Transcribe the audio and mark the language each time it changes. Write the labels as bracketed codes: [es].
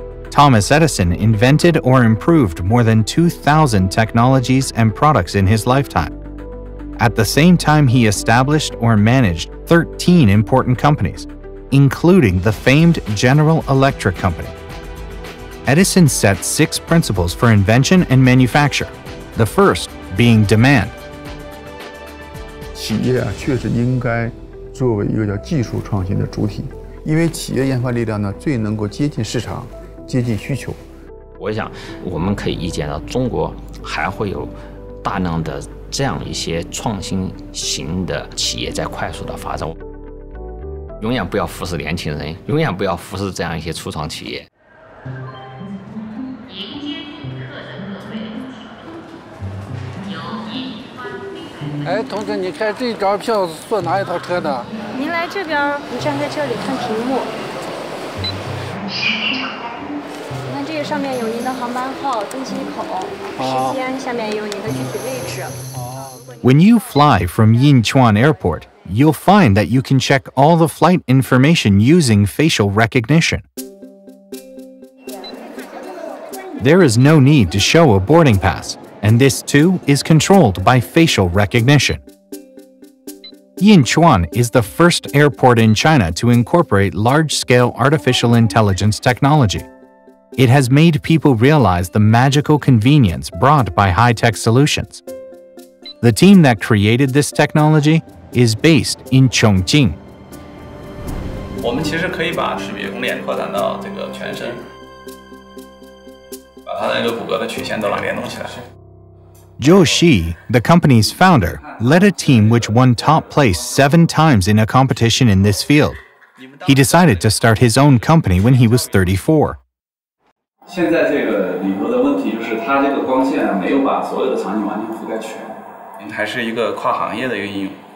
[en] Thomas Edison invented or improved more than 2,000 technologies and products in his lifetime. At the same time, he established or managed 13 important companies. Including the famed General Electric Company. Edison set 6 principles for invention and manufacture, the first being demand. [zh] 企业啊，确实应该作为一个叫技术创新的主体，因为企业研发力量呢，最能够接近市场，接近需求。我想，我们可以预见到中国还会有大量的这样一些创新型的企业在快速的发展。永远不要忽视年轻人，永远不要忽视这样一些初创企业。迎接顾客的各位，哎，同志，你看这张票是坐哪一套车的？您来这边，你站在这里看屏幕。你看这个上面有您的航班号、登机口、时间，下面有您的具体位置。 [en] When you fly from Yinchuan Airport. You'll find that you can check all the flight information using facial recognition. There is no need to show a boarding pass, and this too is controlled by facial recognition. Yinchuan is the first airport in China to incorporate large-scale artificial intelligence technology. It has made people realize the magical convenience brought by high-tech solutions. The team that created this technologyis based in Chongqing. [zh] 我们其实可以把识别功链扩展到这个全身，把它那个骨骼的曲线都能联动起来。 [en] Zhou Xi, the company's founder, led a team which won top place 7 times in a competition in this field. He decided to start his own company when he was 34. [zh] 现在这个里头的问题就是它这个光线没有把所有的场景完全覆盖全，还是一个跨行业的一个应用。